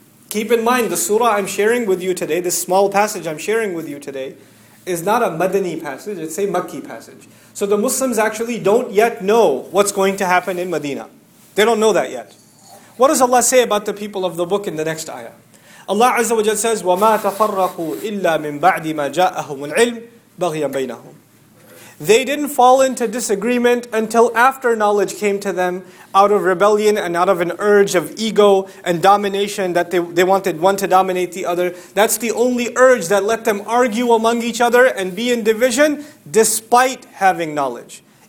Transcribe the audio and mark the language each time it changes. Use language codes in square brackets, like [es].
[en] Keep in mind, the surah I'm sharing with you today, this small passage I'm sharing with you today, is not a Madani passage, it's a Makki passage. So the Muslims actually don't yet know what's going to happen in Medina. They don't know that yet. What does Allah say about the people of the book in the next ayah? Allah Azza wa Jal says, [ar] وَمَا تَفَرَّقُوا إِلَّا مِنْ بَعْدِ مَا جَاءَهُمُ الْعِلْمِ بَغْيًا بَيْنَهُمْ. [en] They didn't fall into disagreement until after knowledge came to them, out of rebellion and out of an urge of ego and domination that they wanted one to dominate the other. That's the only urge that let them argue among each other and be in division despite having knowledge.